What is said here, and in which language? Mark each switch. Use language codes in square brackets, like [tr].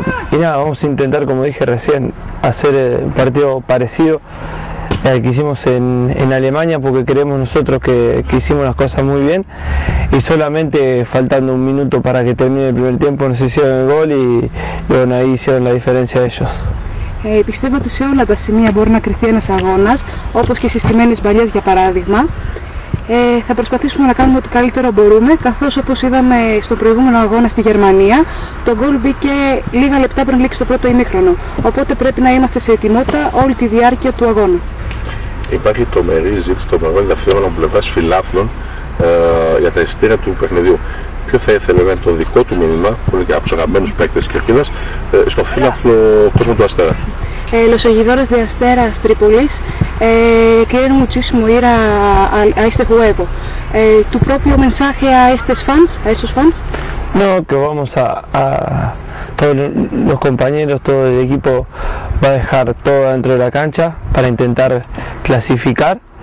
[es] Y nada, vamos a intentar, como dije recién, hacer el partido parecido al que hicimos en Alemania, porque creemos nosotros que hicimos las cosas muy bien. Y solamente faltando un minuto para que termine el primer tiempo, nos hicieron el gol y bueno, ahí hicieron la diferencia ellos. [el] Πιστεύω ότι σε όλα τα σημεία μπορεί να κριθεί ένας αγώνας, όπως και στις τιμένες μπαλιές για παράδειγμα. Θα προσπαθήσουμε να κάνουμε ό,τι καλύτερο μπορούμε, καθώς όπως είδαμε στο προηγούμενο αγώνα στη Γερμανία, το γκολ μπήκε λίγα λεπτά πριν λήξει το πρώτο ημίχρονο. Οπότε πρέπει να είμαστε σε ετοιμότητα όλη τη διάρκεια του αγώνα. Υπάρχει τρομερή ζήτηση των ενδιαφέρων από πλευράς φιλάθλων για τα εισιτήρια του παιχνιδιού. Ποιο θα ήθελε να είναι το δικό του μήνυμα, που είναι και από τους αγαπημένους παίκτες της Κερκίδας, στο φιλάθλο κόσμο του Αστέρα? [es] Los seguidores de Astera Tripolis quieren muchísimo ir a este juego. ¿Tu propio mensaje a estos fans, a esos fans? No, que vamos a todos los compañeros, todo el equipo va a dejar todo dentro de la cancha para intentar clasificar.